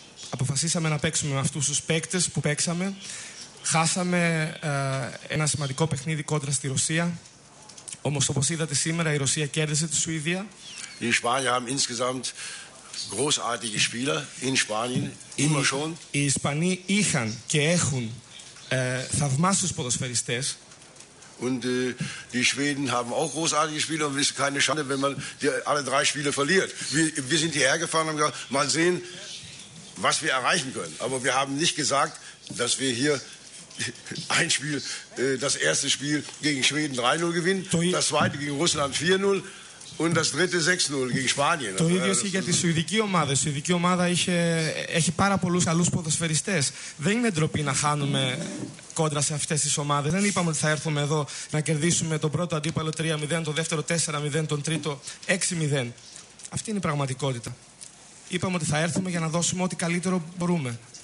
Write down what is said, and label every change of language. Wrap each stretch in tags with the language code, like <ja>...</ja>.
<el>Αποφασίσαμε να παίξουμε με αυτούς τους παίκτες που παίξαμε. Χάσαμε ένα σημαντικό παιχνίδι κόντρα στη Ρωσία. Όμως, όπως είδατε σήμερα, η Ρωσία κέρδισε τη Σουηδία. Οι Ισπανοί</el> <de>haben insgesamt großartige Spieler in Spanien, immer schon.</de> <el>Οι Ισπανοί είχαν και έχουν θαυμάσιους ποδοσφαιριστές.</el> <de>Und die Schweden haben auch großartige Spiele und es ist keine Schande, wenn man alle drei Spiele verliert. Wir sind hierher gefahren und haben gesagt, mal sehen, was wir erreichen können. Aber wir haben nicht gesagt, dass wir hier ein Spiel, das erste Spiel gegen Schweden 3-0 gewinnt, das zweite gegen Russland 4-0 und das dritte 6-0 gegen Spanien.</de> <el>Το ίδιο ισχύει για τη σουηδική ομάδα. Η σουηδική ομάδα έχει πάρα πολλούς καλούς ποδοσφαιριστές. Δεν είναι ντροπή να χάνουμε κόντρα σε αυτές τις ομάδες. Δεν είπαμε ότι θα έρθουμε εδώ να κερδίσουμε τον πρώτο αντίπαλο 3-0, τον δεύτερο 4-0, τον τρίτο 6-0. Αυτή είναι η πραγματικότητα. Είπαμε ότι θα έρθουμε για να δώσουμε ό,τι καλύτερο μπορούμε.</el>